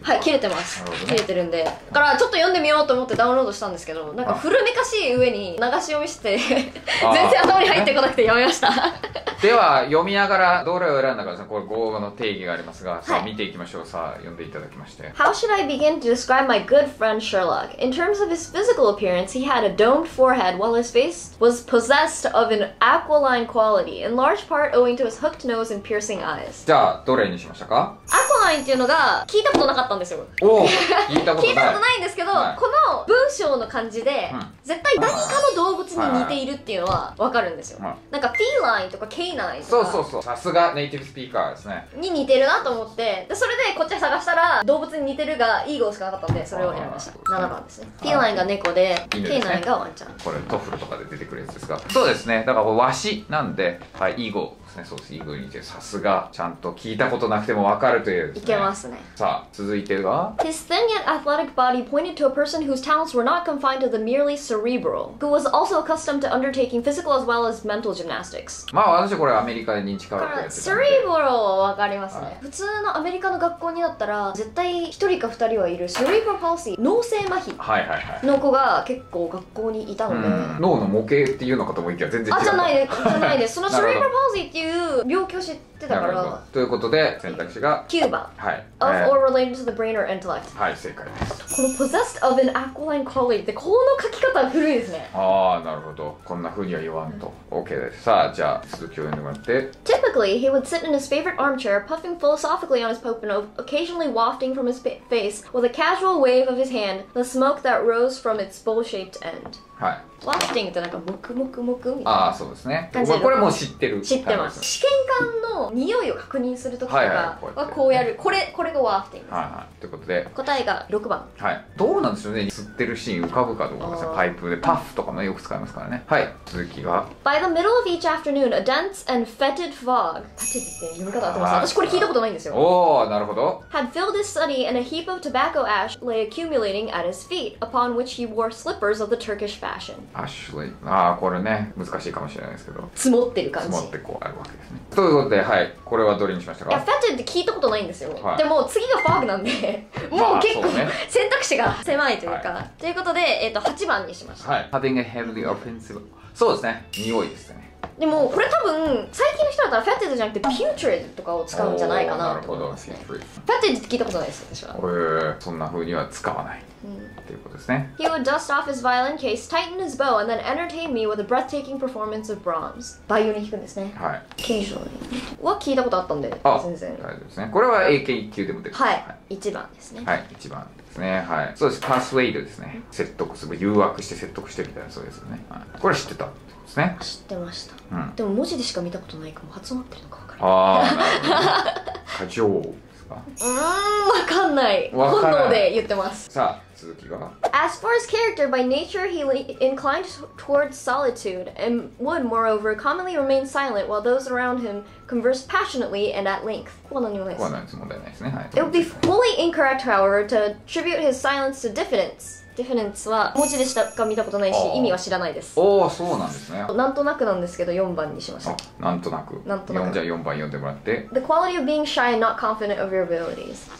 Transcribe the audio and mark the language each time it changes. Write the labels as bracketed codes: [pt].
[ja] はい、切れてます。なるほど、ね、切れてるんで、だからちょっと読んでみようと思ってダウンロードしたんですけど、なんか古めかしい上に流し読みして全然頭に入ってこなくて読みました。では読みながらどれを選んだか、これ語の定義がありますが、はい、さあ見ていきましょう。さあ読んでいただきまして、 [en] How should I begin to describe my good friend Sherlock? In terms of his physical appearance, he had a domed forehead while his face was possessed of an aquiline quality, in large part owing to his hooked nose and piercing eyes. [ja] じゃあどれにしましたか？アクアラインっていうのが聞いたことなかったんですよ。おお、聞いたことない。聞いたことないんですけど、はい、この文章の感じで、うん、絶対何かの動物に似ているっていうのは分かるんですよ、はいはい、なんかフィーラインとかケイナインとか、そうそうそう、さすがネイティブスピーカーですね、に似てるなと思って、でそれでこっち探したら動物に似てるがイーゴーしかなかったんで、それを選びました。7番ですね。フィーラインが猫で、はい、ケイナインがワンちゃん、これトフルとかで出てくるやつですが、そうですね、だからこれワシなんで、はい、イーゴーですね。そうです、イーゴーに似てる。さすが、ちゃんと聞いたことなくても分かるというですね。いけますね。さあ続いてが、 [en] His thin yet athletic body pointed to a person whose talents were not confined to the merely cerebral, who was also accustomed to undertaking physical as well as mental gymnastics. [ja] まあ私これアメリカで認知科学やってたんで、セリブロは分かりますね、はい、普通のアメリカの学校になったら絶対一人か二人はいる、セリブロパルシー、脳性麻痺、はいはいはい、の子が結構学校にいたので、脳の模型っていうのかと思いきや全然違う。あ、じゃないです、じゃないです。そのセリブロパルシーっていう病気を知ってたから。ということで選択肢が 9番、はい、 [en] Of or related to the brain or intellect. [ja] はい、正解です。この [en] possessed of an aquiline quality [ja] って、この書き方は古いですね。ああ、なるほど、こんな風には言わんと、うん、OK です。さあじゃあ続きを読んでもらって、 [en] Typically he would sit in his favorite armchair puffing philosophically on his pope and occasionally wafting from his face with a casual wave of his hand the smoke that rose from its bowl shaped end. [ja] はい、ワフティングってなんかムクムクムクみたいな。ああ、そうですね。これもう知ってる。知ってます。試験管の匂いを確認するときとかはこうやる。はいはい、これがワフティングです。はいはい。ということで。答えが6番。はい。どうなんでしょうね。吸ってるシーン浮かぶかどうかですね。パイプで。パフとかもよく使いますからね。はい。続きが。 [en] By the middle of each afternoon, a dense and fetid fog. [ja] パテって読み方合ってます。私これ聞いたことないんですよ。おー、なるほど。 [en] Had filled his study and a heap of tobacco ash lay accumulating at his feet, upon which he wore slippers of the Turkish fashion. [ja] アッシュレイ、ああこれね、難しいかもしれないですけど、積もってる感じ、積もってこうあるわけですね。ということで、はい、これはどれにしましたか？いや、フェッチって聞いたことないんですよ、はい、でも次がファーグなんでもう結構、まあうね、選択肢が狭いというか、はい、ということで、8番にしました。はい、 [en] Having a heavily offensive、 [ja] そうですね、匂いですね。でもこれ多分最近の人だったらフェティッドじゃなくてピュートリッドとかを使うんじゃないかなと思います。フェティッドって聞いたことないですよ、私は。へえ、そんな風には使わない、うん、っていうことですね。 [en] He would dust off his violin case, tighten his bow, and then entertain me with a breathtaking performance of Brahms. [ja] バイオリン弾くんですね。はい、 Casually は聞いたことあったんで、あ、全然大丈夫ですね。これは英検1級でも出る、はい、はい、1番ですね。はい、1番ですね、はい、そうです、パースウェイドですね、説得する、誘惑して説得してみたいな、そうですよね、はい、これ知ってたですね。知ってました、うん、でも文字でしか見たことないかも、発音合ってるのか分からない。ああ、過剰ですか？わかんない。本能で言ってます。さあ、続きが。 [en] As for his character, by nature he inclined towards solitude and would, moreover, commonly remain silent while those around him conversed passionately and at length. [ja] ここは何も問題ないですね。はい。 [en] It would be fully incorrect, however, to attribute his silence to diffidence. [ja] ディフェネンスは文字でしか見たことないし意味は知らないです。おお、そうなんですね。なんとなくなんですけど4番にしました。なんとなく、なんとなく、じゃあ4番読んでもらって。 [en] The quality of being shy and not confident of your abilities。